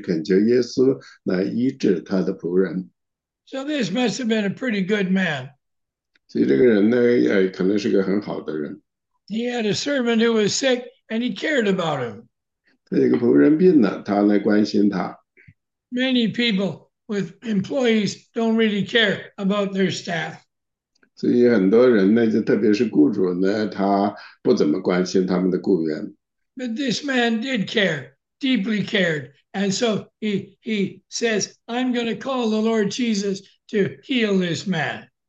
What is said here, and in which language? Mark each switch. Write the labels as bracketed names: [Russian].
[Chinese] 第3节，他听了，他听说了耶稣的事，就托犹太人的几个长老去恳求耶稣来医治他的仆人。 [English] So this must have been a pretty good man. [Chinese] 所以这个人呢，可能是个很好的人。 [English] He had a servant who was sick and he cared about him. [Chinese] 他有个仆人病了，他来关心他。 [English] Many people with employees don't really care about their staff. [Chinese] 所以很多人呢，就特别是雇主呢，他不怎么关心他们的雇员。 [English] But this man did care, deeply cared. And so he says, I'm going to call the Lord Jesus to heal this man.